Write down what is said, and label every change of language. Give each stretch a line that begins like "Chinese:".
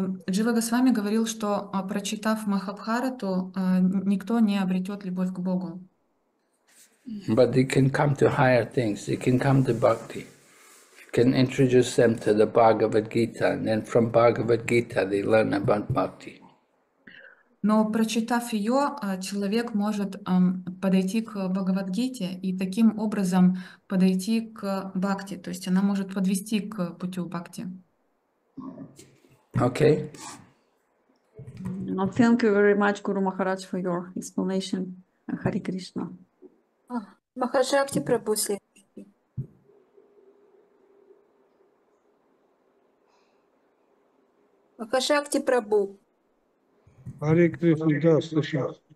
Russian: Джива Госвами говорил, что прочитав Махабхарату, никто не обретет любовь к Богу.
English: But they can come to higher things, they can come to bhakti. You can introduce them to the Bhagavad Gita, and then from Bhagavad Gita they learn about bhakti.
Russian: Но прочитав ее, человек может подойти к Бхагавадгите и таким образом подойти к бхакти, то есть она может подвести к путю бхакти.
English: Okay. Well, thank you very much, Guru Maharaj, for your explanation. Hare Krishna.
Russian: Махаджакти Прабху следующий. Махаджакти Прабху. Hare Krishna, да, слушаю.